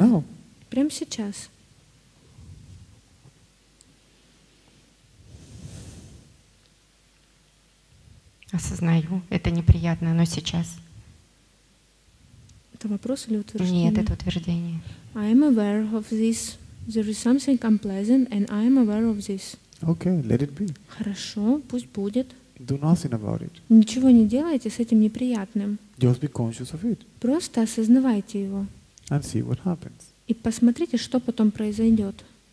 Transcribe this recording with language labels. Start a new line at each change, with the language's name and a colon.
English: No.
Russian: Прямо сейчас. Осознаю, это неприятно, но сейчас. Это вопрос или утверждение? Нет, это утверждение.
English: I am aware of this. There is something unpleasant, and I am aware of this. Okay, let it be.
Russian: Хорошо, пусть будет.
English: Do nothing about it.
Russian: Ничего не делайте с этим неприятным.
English: Just be conscious of it.
Russian: Просто осознавайте его.
English: And see what happens.
Russian: И посмотрите, что потом произойдет.